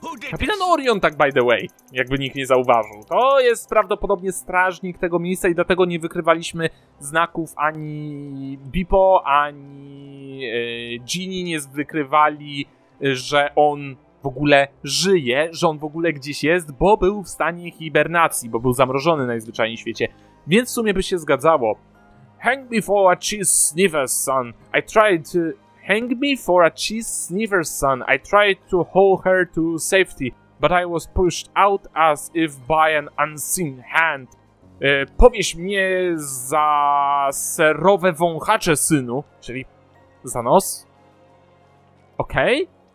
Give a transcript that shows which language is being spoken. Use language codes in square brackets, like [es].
[pl] Kapitan Orion, tak [en] by the way, [pl] jakby nikt nie zauważył. To jest prawdopodobnie strażnik tego miejsca i dlatego nie wykrywaliśmy znaków ani Bipo, ani Ginny nie wykrywali, że on w ogóle żyje, że on w ogóle gdzieś jest, bo był w stanie hibernacji, bo był zamrożony najzwyczajniej w świecie. Więc w sumie by się zgadzało. [en] Hang me for a cheese sniffer, son. I tried to... Hang me for a cheese sniffer, son. I tried to haul her to safety, but I was pushed out as if by an unseen hand. [pl] Powieś mnie za serowe wąchacze, synu. Czyli za nos. Okej.